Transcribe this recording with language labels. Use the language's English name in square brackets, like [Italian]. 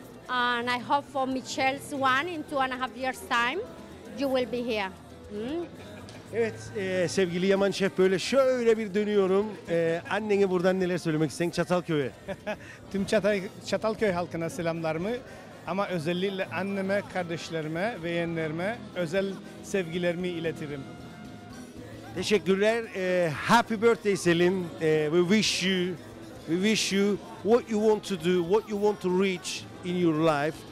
[English] And I hope for Michelle's one in 2.5 years' time, you will be here. [Turkish] Evet, sevgili Yaman Şef, böyle şöyle bir dönüyorum. Annene buradan neler söylemek istedin Çatalköy'e? Tüm Çatalköy halkına selamlarımı. Ama özellikle anneme, kardeşlerime ve yeğenlerime özel sevgilerimi iletirim. Teşekkürler. [English] Happy birthday Selin. We wish you what you want to do, what you want to reach in your life.